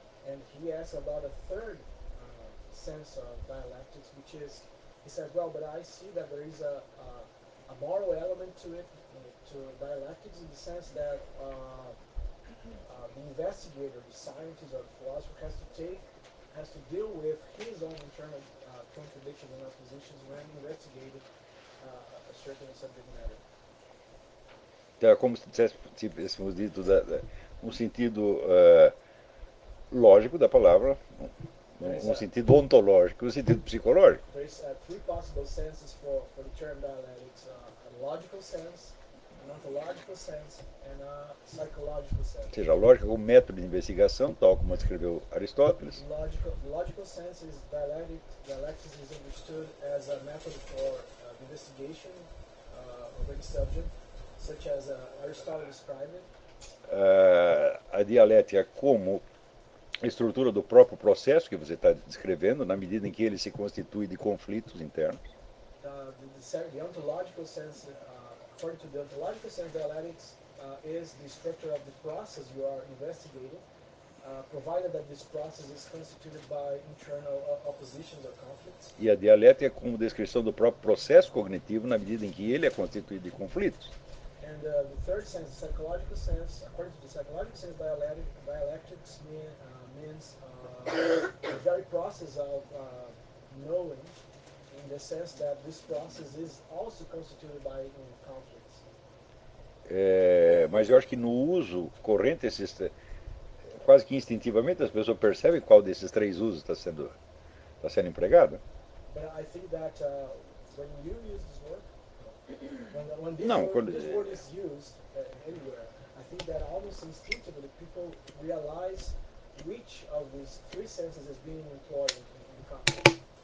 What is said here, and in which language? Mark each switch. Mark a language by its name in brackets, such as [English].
[English] And he asks about a third sense of dialectics, which is, he says, well, but I see that there is a moral element to it, to dialectics, in the sense that the investigator, the scientist or the philosopher has to deal with his own internal contradictions and oppositions when investigating a certain subject matter. [Portuguese] É como se tivéssemos dito um sentido lógico da palavra, um sentido ontológico, um sentido psicológico. [English] There's three possible senses for the term dialectics: a logical sense, an ontological sense, and a psychological sense. [Portuguese] Ou seja, a lógica como método de investigação, tal como escreveu Aristóteles. [English] Logical sense is dialectics is understood as a method for investigation of any subject. Such as Aristotle described [Portuguese] a dialética como estrutura do próprio processo que você está descrevendo, na medida em que ele se constitui de conflitos internos. [English] The ontological sense, according to the ontological sense, dialectics is the structure of the process you are investigating, provided that this process is constituted by internal oppositions or conflicts. [Portuguese] E a dialética como descrição do próprio processo cognitivo, na medida em que ele é constituído de conflitos. [English] And the third sense, the psychological sense, according to the psychological sense, dialectics means the very process of knowing, in the sense that this process is also constituted by conflicts. [Portuguese] Mas eu acho que no uso corrente, quase que instintivamente, as pessoas percebem qual desses três usos está sendo empregado. [English] But I think that when you use this word, [Portuguese] quando [English] this word is used anywhere, I think that almost instinctively people realize which of these three senses is being employed in conflict.